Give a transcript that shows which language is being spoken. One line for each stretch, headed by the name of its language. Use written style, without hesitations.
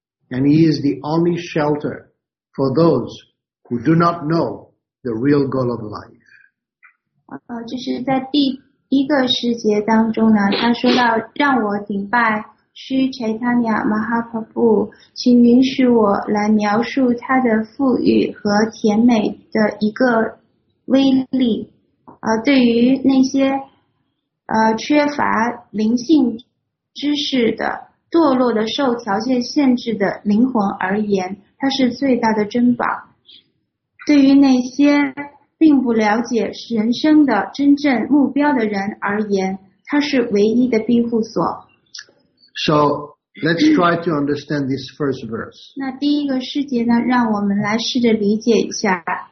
English: And he is the only shelter for those who do not know the real goal of life.
Chinese: 就是在第一个诗节当中呢，他说到让我顶拜须柴塔尼亚马哈帕布，请允许我来描述他的富裕和甜美的一个威力。对于那些缺乏灵性知识的堕落的受条件限制的灵魂而言，它是最大的珍宝。对于那些并不了解人生的真正目标的人而言，它是唯一的庇护所。
English: So, let's try to understand this first verse.
Chinese: 那第一个诗节呢，让我们来试着理解一下。